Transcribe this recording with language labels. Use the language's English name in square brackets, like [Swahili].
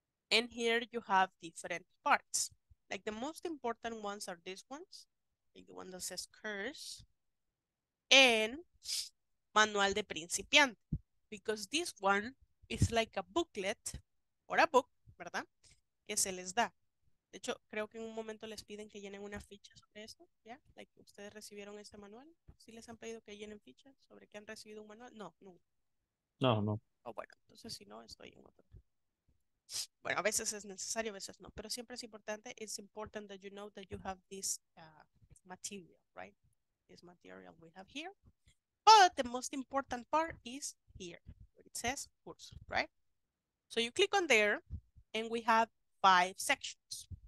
[English] And here you have different parts. Like the most important ones are these ones, like the one that says curse, and [Spanish] manual de principiante, [English] because this one is like a booklet or a book, [Spanish] ¿verdad? Que se les da. De hecho, creo que en un momento les piden que llenen una ficha sobre esto, ¿ya? [English] Like, [Spanish] ¿ustedes recibieron este manual? ¿Sí les han pedido que llenen fichas sobre que han recibido un manual? No, nunca. No, no. Oh, bueno, entonces si no, estoy en otro. Bueno, a veces es necesario, a veces no. Pero siempre es importante. [English] It's important that you know that you have this material, right? This material we have here. But the most important part is here. It says curso, right? So you click on there, and we have five sections.